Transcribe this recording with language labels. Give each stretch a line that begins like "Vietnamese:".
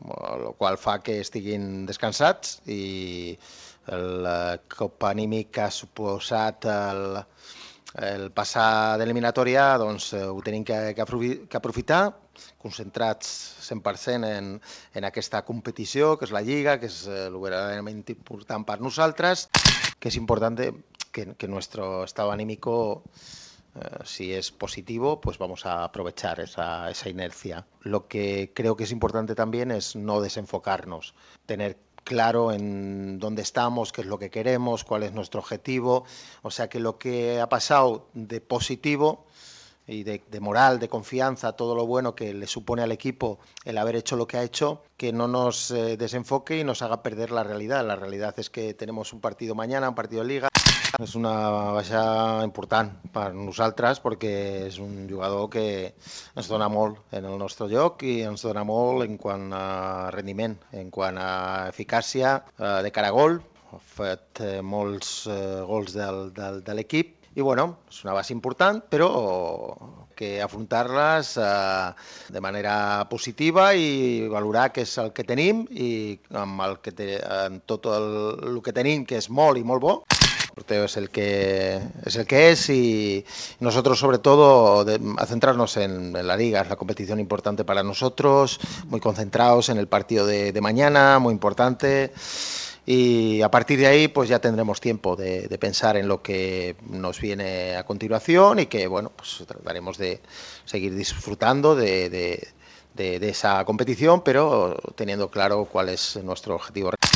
Catalan: el qual fa que estiguin descansats i el cop anímic que ha suposat el passar d'eliminatòria, doncs ho tenim que aprofitar, concentrats 100% en aquesta competició, que és la Lliga, que és el verdaderament important per nosaltres, que és important que
Spanish: nuestro estado anímico, si es positivo, pues vamos a aprovechar esa inercia. Lo que creo que es importante también es no desenfocarnos, tener claro en dónde estamos, qué es lo que queremos, cuál es nuestro objetivo. O sea que lo que ha pasado de positivo y de moral, de confianza, todo lo bueno que le supone al equipo el haber hecho lo que ha hecho, que no nos desenfoque y nos haga perder la realidad. La realidad es que tenemos un partido mañana, un partido de liga.
Catalan: És una baixa important per nosaltres perquè és un jugador que ens dona molt en el nostre joc i ens dona molt en quant a rendiment, en quant a eficàcia de cara a gol. Ha fet molts gols de l'equip i bueno, és una base important, però que afrontar-les de manera positiva i valorar què és el que tenim i amb el que en tot el que tenim, que és molt i molt bo.
Spanish: Porteo es el que es y nosotros sobre todo a centrarnos en la liga, es la competición importante para nosotros, muy concentrados en el partido de mañana, muy importante y a partir de ahí pues ya tendremos tiempo de pensar en lo que nos viene a continuación y que bueno, pues trataremos de seguir disfrutando de esa competición, pero teniendo claro cuál es nuestro objetivo.